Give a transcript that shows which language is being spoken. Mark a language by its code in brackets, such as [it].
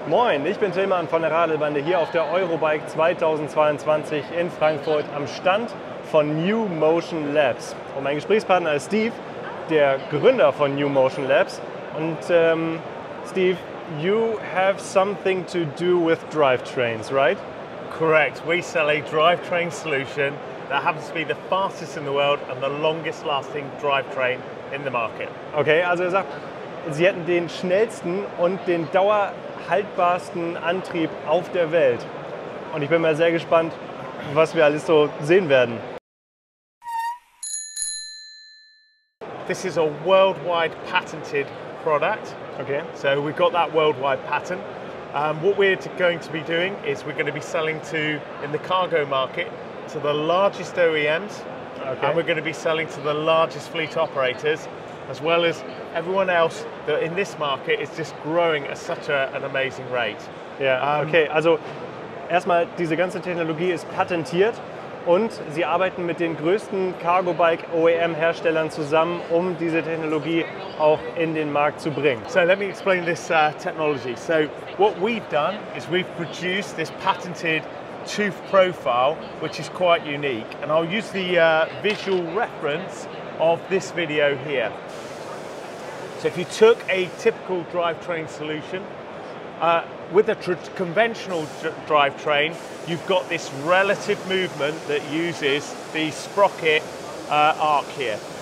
[de] Moin, ich bin Tilman von der Radelbande hier auf der Eurobike 2022 in Frankfurt am Stand von New Motion Labs. Und mein Gesprächspartner ist Steve, der Gründer von New Motion Labs. [en] Und Steve, you have something to do with drivetrains, right? Correct. We sell a drivetrain solution that happens to be the fastest in the world and the longest lasting drivetrain in the market. [de] Okay, also er sagt, Sie hätten den schnellsten und den dauerhaltbarsten Antrieb auf der Welt. Und ich bin mal sehr gespannt, was wir alles so sehen werden. [en] This is a worldwide patented product. Okay. So we've got that worldwide patent. What we're going to be doing is we're going to be selling to, in the cargo market, to the largest OEMs. Okay. And we're going to be selling to the largest fleet operators, as well as everyone else that in this market is just growing at such an amazing rate. Yeah, okay. [de] Also erstmal, diese ganze Technologie ist patentiert und Sie arbeiten mit den größten Cargo-Bike-OEM-Herstellern zusammen, um diese Technologie auch in den Markt zu bringen. [en] So let me explain this technology. So what we've done is we've produced this patented tooth profile, which is quite unique. And I'll use the visual reference of this video here. So if you took a typical drivetrain solution, with a conventional drivetrain, you've got this relative movement that uses the sprocket arc here.